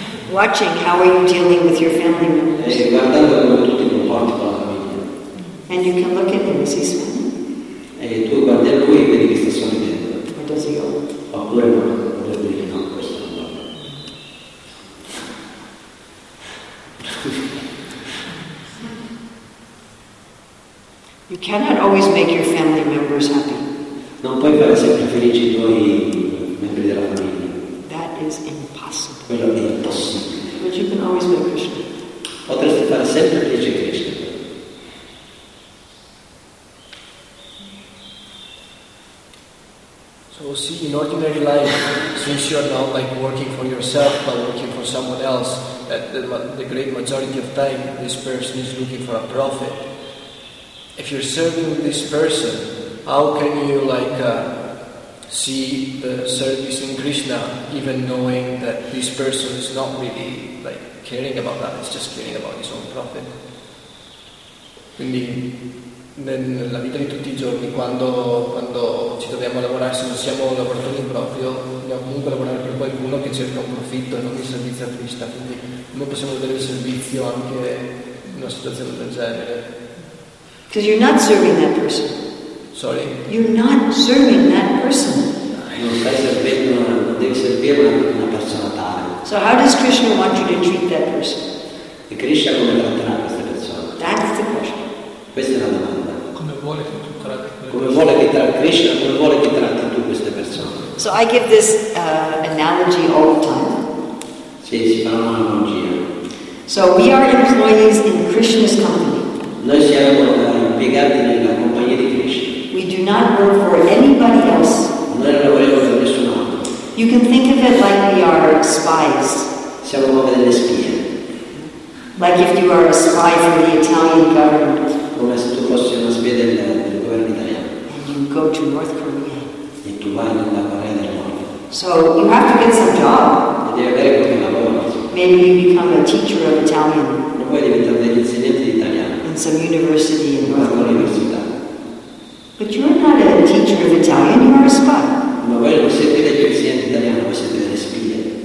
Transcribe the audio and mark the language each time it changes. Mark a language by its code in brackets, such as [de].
[en] Watching how are you dealing with your family members. [it] E guardando come tutti comportano la famiglia. [en] And you can look at him as he's smiling. [it] E tu guardi a lui e vedi che sta sorridendo. [en] Or does he go? [it] Oppure no, potrebbe dire no, questo non va. [en] You cannot always make your family members happy. [it] Non puoi fare sempre felici i tuoi membri della famiglia. [en] That is impossible. [it] Quello è impossibile. [en] But you can always make Krishna. [it] Potresti fare sempre felice Krishna. [en] So see, in ordinary life, since you are not like working for yourself but working for someone else, that the great majority of time this person is looking for a profit. If you're serving this person, how can you like see the service in Krishna, even knowing that this person is not really like caring about that, it's just caring about his own profit? [it] Quindi nella vita di tutti i giorni, quando ci troviamo a lavorare, se non siamo lavoratori in proprio, dobbiamo comunque lavorare per qualcuno che cerca un profitto e non il servizio a Krishna. Quindi non possiamo vedere il servizio anche in una situazione del genere. [en] Because you're not serving that person. Sorry? You're not serving that person. [it] Non stai servendo, non devi servire una persona tale. [en] So how does Krishna want you to treat that person? [it] E Krishna come tratterà questa persona? [en] That's the question. Questa è la domanda. [it] Come vuole che tratti tu queste persone? [en] So I give this analogy all the time. [it] Sì, si fa un'analogia. [en] So we are employees in Krishna's company. [it] Noi siamo impiegati nella compagnia di Krishna. [en] We do not work for anybody else. [it] Noi non lavoriamo per nessun altro. [en] You can think of it like we are spies. [it] Siamo delle spie. [en] Like if you are a spy for the Italian government. [it] Come se tu fossi una spia del governo italiano. [en] And you go to North Korea. [it] E tu vai nella Corea del Nord. [en] So you have to get some job. [it] E devi avere qualche lavoro. [en] Maybe you become a teacher of Italian. [it] E poi diventare degli insegnanti di italiano. [en] In some university in North Korea. [it] Università. [en] But you are not a teacher of Italian, you are a spy. [it] Ma voi non siete degli insegnanti italiani, voi siete delle spie.